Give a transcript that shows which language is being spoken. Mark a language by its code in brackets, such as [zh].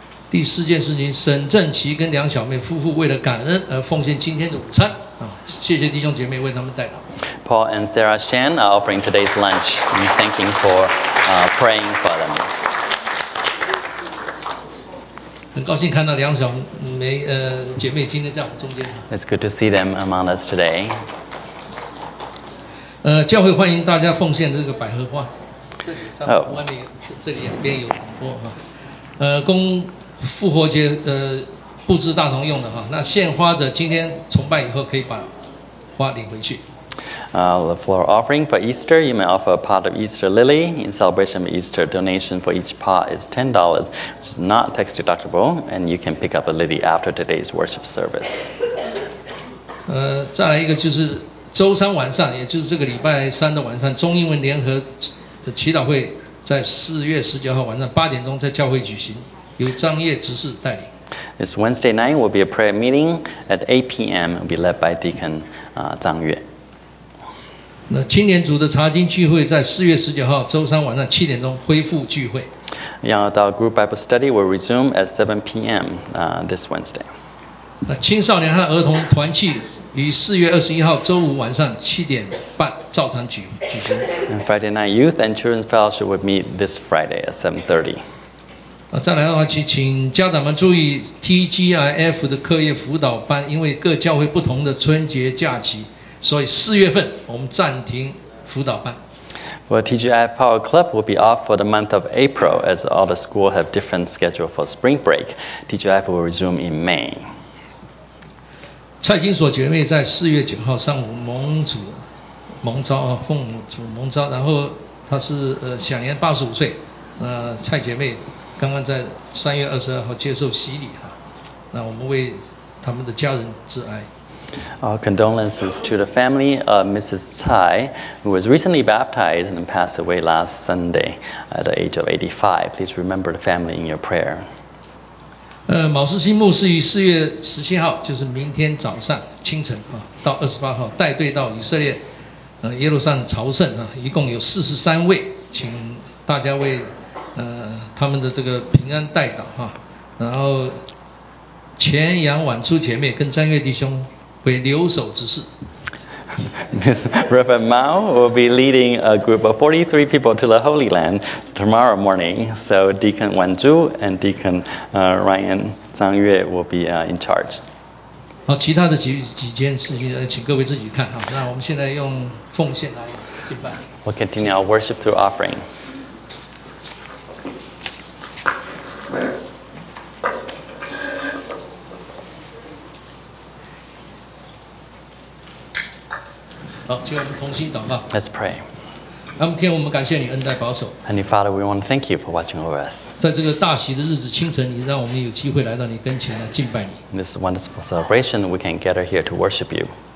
[zh] 第四件事情，沈正奇跟梁小妹夫妇为了感恩而奉献今天的午餐，谢谢弟兄姐妹为他们代祷。 [en] Paul and Sarah Shan are offering today's lunch and thanking for praying for them. [zh] 很高兴看到梁小妹姐妹今天在我们中间。 [en] It's good to see them among us today. [zh] 教会欢迎大家奉献这个百合花。这里上面、外面这里两边有很多供复活节布置大堂用的哈，那献花者今天崇拜以后可以把花领回去。 [en] The floor offering for Easter, you may offer a pot of Easter lily in celebration of Easter. Donation for each pot is $10, which is not tax deductible, and you can pick up a lily after today's worship service. [zh] 再来一个就是周三晚上，也就是这个礼拜三的晚上，中英文联合的祈祷会在4月19号晚上8点在教会举行。由张业执事带领。 [en] This Wednesday night will be a prayer meeting at 8 p.m. It will be led by Deacon 张月。 [zh] 那青年组的查经聚会在4月19号周三晚上7点恢复聚会。 [en] Young Adult Group Bible Study will resume at 7 p.m. This Wednesday。 [zh] 那青少年和儿童团契于4月21号周五晚上7:30照常举行。 [en] And Friday night Youth and Children's Fellowship will meet this Friday at 7:30。 [zh] 再来的话，请家长们注意 TGIF 的课业辅导班，因为各教会不同的春节假期，所以4月我们暂停辅导班。 [en] For TGIF Power Club will be off for the month of April, as all the school have different schedule for spring break. TGIF will resume in May. [zh] 蔡金所姐妹在4月9号上午奉主蒙召，然后她是享年85岁，蔡姐妹。刚刚在3月22号接受洗礼哈，那我们为他们的家人致哀。 [en] Our condolences to the family of Mrs. Tsai, who was recently baptized and passed away last Sunday at the age of 85. Please remember the family in your prayer. [zh] 卯世新牧师于4月17号，就是明天早上清晨到28号带队到以色列耶路撒冷朝圣啊，一共有43位，请大家为他们的这个平安代祷哈、啊。然后前阳晚出前面跟三月弟兄为留守之事。 [en] Miss Reverend Mao will be leading a group of 43 people to the Holy Land tomorrow morning. So Deacon Wan Zhu and Deacon Ryan Zhang Yue will be in charge. [zh] 好，其他的几件事情，请各位自己看哈。那我们现在用奉献来敬拜。 [en] We'll continue our worship through offering. Let's pray. Heavenly Father, we want to thank you for watching over us. [zh] 在这个大喜的日子清晨，你让我们有机会来到你跟前来敬拜你。 [en] In this wonderful celebration, we can gather here to worship you.